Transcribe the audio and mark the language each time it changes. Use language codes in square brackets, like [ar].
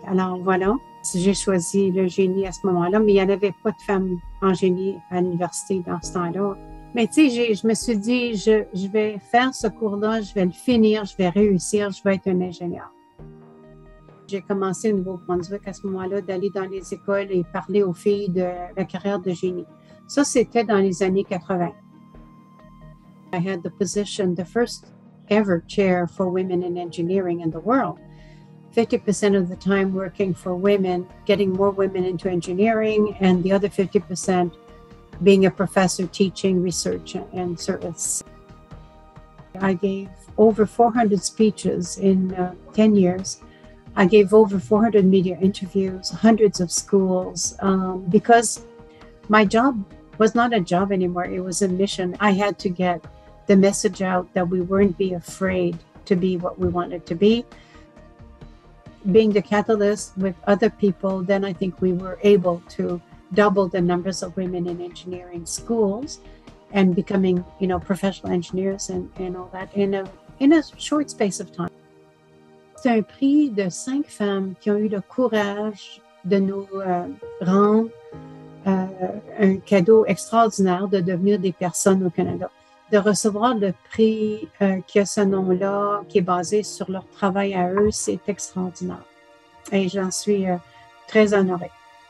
[fr] Alors voilà, j'ai choisi le génie à ce moment-là, mais il n'y en avait pas de femmes en génie à l'université dans ce temps-là. Mais tu sais, je me suis dit, je vais faire ce cours-là, je vais le finir, je vais réussir, je vais être un ingénieur. J'ai commencé au Nouveau-Brunswick à ce moment-là d'aller dans les écoles et parler aux filles de la carrière de génie. Ça, c'était dans les années 80. [en] I had the position, the first ever chair for women in engineering in the world. 50% of the time working for women, getting more women into engineering, and the other 50% being a professor teaching research and service. I gave over 400 speeches in 10 years. I gave over 400 media interviews, hundreds of schools, because my job was not a job anymore, it was a mission. I had to get the message out that we weren't be afraid to be what we wanted to be. Being the catalyst with other people, then I think we were able to double the numbers of women in engineering schools and becoming, you know, professional engineers and all that in a short space of time. [fr] C'est un prix de 5 femmes qui ont eu le courage de nous rendre un cadeau extraordinaire de devenir des personnes au Canada. De recevoir le prix qui a ce nom-là, qui est basé sur leur travail à eux, c'est extraordinaire. Et j'en suis très honorée.